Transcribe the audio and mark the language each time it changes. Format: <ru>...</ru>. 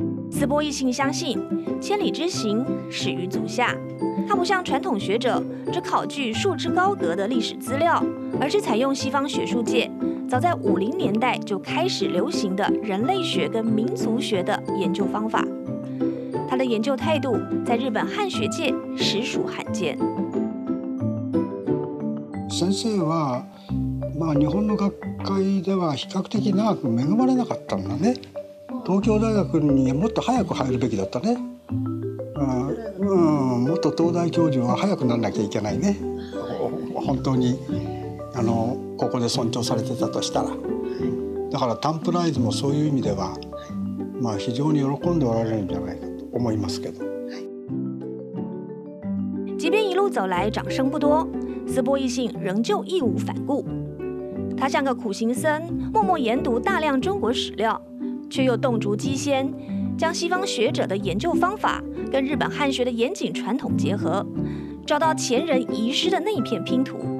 <zh>斯波义信相信千里之行始于足下，他不像传统学者只考据束之高阁的历史资料，而是采用西方学术界早在50年代就开始流行的人类学跟民族学的研究方法。他的研究态度在日本汉学界实属罕见。</zh> <ja>先生は、まあ、日本の学会では比較的長く恵まれなかったんだね。東京大学にもっと早く入るべきだったね。もっと東大教授は早くならなきゃいけないね。本当にここで尊重されてたとしたら、だからタンプライズもそういう意味では、まあ非常に喜んでおられるんじゃないかと思いますけど。</ja> <zh>路走来掌声不多，斯波义信仍旧义无反顾。他像个苦行僧，默默研读大量中国史料，却又洞烛机先，将西方学者的研究方法跟日本汉学的严谨传统结合，找到前人遗失的那一片拼图。</zh>